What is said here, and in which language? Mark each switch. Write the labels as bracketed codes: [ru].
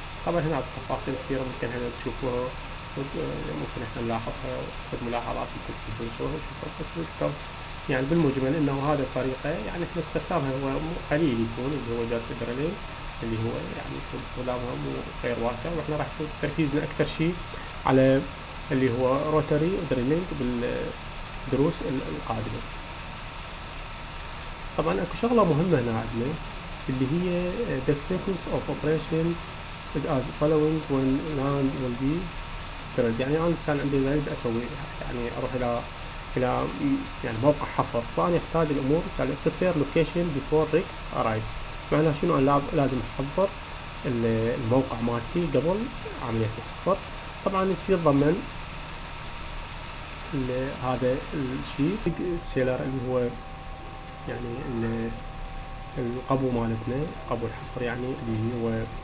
[ar] طبعا هنا التفاصيل كثيرة ممكن احنا تشوفوها، ممكن احنا نلاحظها وناخذ ملاحظات ممكن تدرسوها وتشوفوها، بس يعني بالمجمل انه هذه الطريقه يعني احنا استخدامها هو قليل يكون اللي هو جات الدرلين. اللي هو يعني في الفولام غير واسع، واحنا راح نسوي تركيزنا اكثر شيء على اللي هو روتري ودريلينج بالدروس القادمه. طبعا اكو شغله مهمه هنا عندنا اللي هي [en] the sequence of operation is as following when land will be drilled. [ar] يعني انا كان عندي لازم اسوي يعني اروح الى يعني موقع حفر، فانا احتاج الامور يعني [en] prepare location before rig arrives، [ar] معناها شنو؟ انا لازم احضر الموقع مالتي قبل عمليه الحفر. طبعا في ضمن هذا الشيء السيلر اللي هو يعني القبو مالتنا، قبو الحفر يعني اللي هو